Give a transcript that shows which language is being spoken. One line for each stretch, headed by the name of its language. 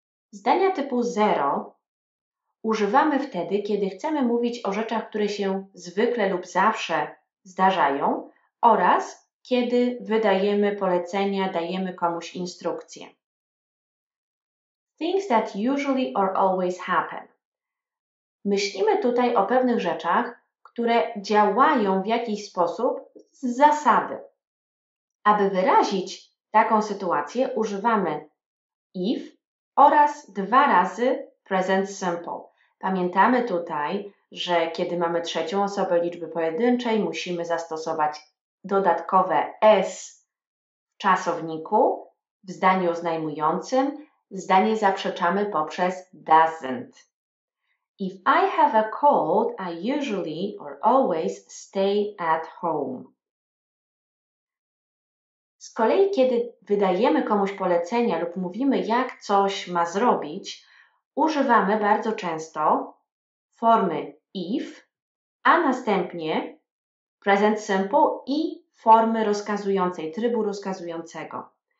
Polish: Zdania typu 0 używamy wtedy, kiedy chcemy mówić o rzeczach, które się zwykle lub zawsze zdarzają oraz kiedy wydajemy polecenia, dajemy komuś instrukcje.
English: Things that usually or always happen.
Polish: Myślimy tutaj o pewnych rzeczach, które działają w jakiś sposób z zasady. Aby wyrazić taką sytuację, używamy if oraz dwa razy present simple. Pamiętamy tutaj, że kiedy mamy trzecią osobę liczby pojedynczej, musimy zastosować dodatkowe s w czasowniku, w zdaniu oznajmującym. Zdanie zaprzeczamy poprzez doesn't.
English: If I have a cold, I usually or always stay at home.
Polish: Z kolei, kiedy wydajemy komuś polecenia lub mówimy, jak coś ma zrobić, używamy bardzo często formy if, a następnie present simple i formy rozkazującej, trybu rozkazującego.